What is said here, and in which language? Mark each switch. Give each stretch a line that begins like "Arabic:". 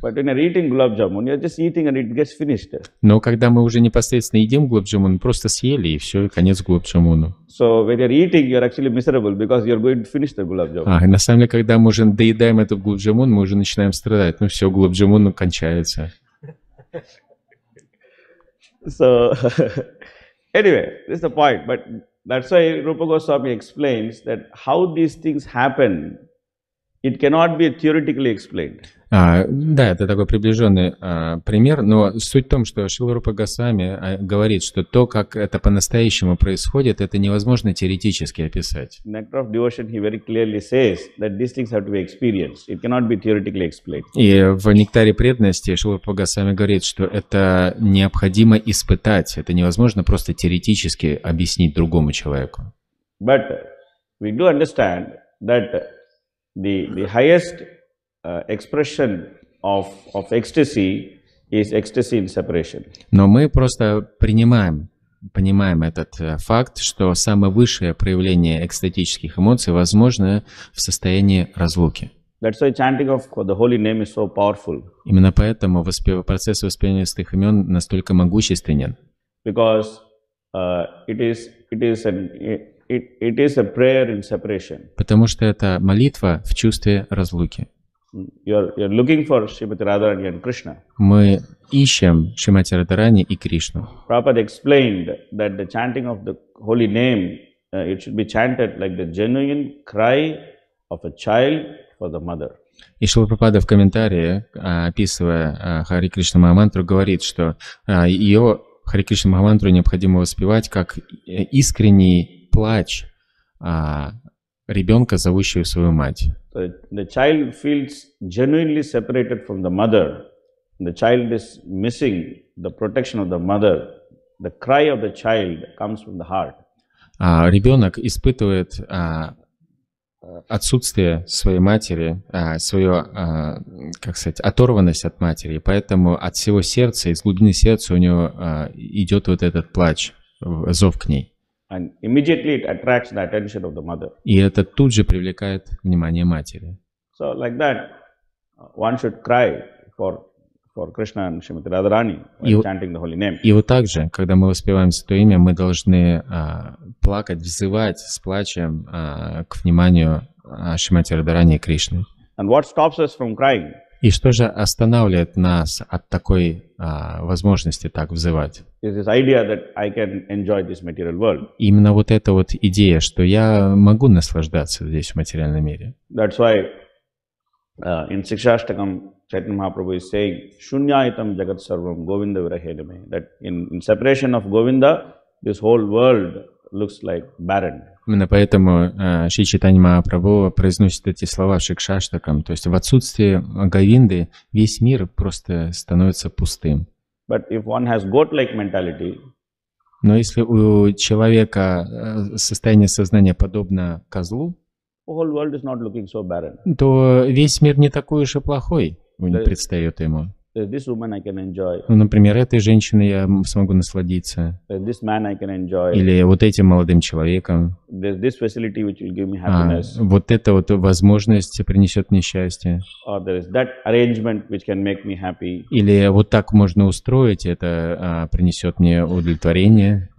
English: But when you're eating gulab jamun, you're just eating and it gets finished.
Russian: Но когда мы уже непосредственно едим gulab jamun, просто съели и все, и конец gulab jamun-у.
English: So when you're eating, you're actually miserable because you're going to finish the gulab jamun.
Russian: А на самом деле, когда мы уже доедаем этот gulab jamun, мы уже начинаем страдать. Ну все, gulab jamun кончается.
English: So, anyway, this is the point, but that's why Rupa Goswami explains that how these things happen, it cannot be theoretically explained.
Russian: Да, это такой приближенный пример, но суть в том, что Шрила Рупа Госвами говорит, что то, как это по-настоящему происходит, это невозможно теоретически описать.
English: Nectar of Devotion, he very clearly says that these things have to be experienced. It cannot be theoretically explained.
Russian: И в Нектаре преданности Шрила Рупа Госвами говорит, что это необходимо испытать, это невозможно просто теоретически объяснить другому человеку.
English: But we do understand that the highest expression of ecstasy is ecstasy in separation.
Russian: Но мы просто понимаем этот факт, что самое высшее проявление экстатических эмоций возможно в состоянии разлуки.
English: That's why chanting of the holy name is so powerful.
Russian: Именно поэтому процесс воспевания святых имен настолько могущественен.
English: Because it is It is a prayer in separation.
Russian: Потому что это молитва в чувстве разлуки.
English: You're looking for Shrimati Radharani and Krishna.
Russian: Мы ищем Шримати Радхарани и Кришну.
English: Prabhupada explained that the chanting of the holy name, it should be chanted like the genuine cry of a child for the mother.
Russian: И Шрила Прабхупада в комментарии, описывая Хари Кришна Махамантру, говорит, что ее Хари Кришна Махамантру необходимо воспевать как искренний плач ребенка, зовущего свою мать.
English: The child feels genuinely separated from the mother. The child is missing the protection of the mother. The cry of the child comes from the heart.
Russian: Ребенок испытывает отсутствие своей матери, свою, как сказать, оторванность от матери. Поэтому от всего сердца, из глубины сердца у него идет вот этот плач, зов к ней.
English: And immediately it attracts the attention of the mother.
Russian: И это тут же привлекает внимание матери.
English: So like that, one should cry for Krishna and Shrimati Radharani when chanting the holy name.
Russian: И вот так же, когда мы воспеваем Святое Имя, мы должны плакать, взывать с плачем к вниманию Шримати Радхарани и Кришны.
English: And what stops us from crying?
Russian: И что же останавливает нас от такой возможности так взывать?
English: Is this idea that I can enjoy this material world.
Russian: Именно вот эта вот идея, что я могу наслаждаться здесь в материальном мире.
English: That's why in Sikshashtakam, Chaitanya Mahaprabhu is saying,
Sanskrit: Shunyaitam Jagat Sarvam Govinda Virahedame.
English: That in separation of Govinda, this whole world looks like barren.
Russian: Именно поэтому Шри Чайтанья Махапрабху произносит эти слова Шикшаштакам. То есть в отсутствии Говинды весь мир просто становится пустым.
English: But if one has god-like mentality,
Russian: но если у человека состояние сознания подобно козлу,
English: whole world is not looking so barren.
Russian: То весь мир не такой уж и плохой, не предстает ему.
English: This woman I can enjoy.
Russian: Ну, например, этой женщиной я смогу насладиться.
English: This man I can enjoy.
Russian: Или вот этим молодым человеком.
English: This facility which will give me happiness.
Russian: Вот эта вот возможность принесет мне счастье.
English: Or there is that arrangement which can make me happy.
Russian: Или вот так можно устроить, это принесет мне удовлетворение.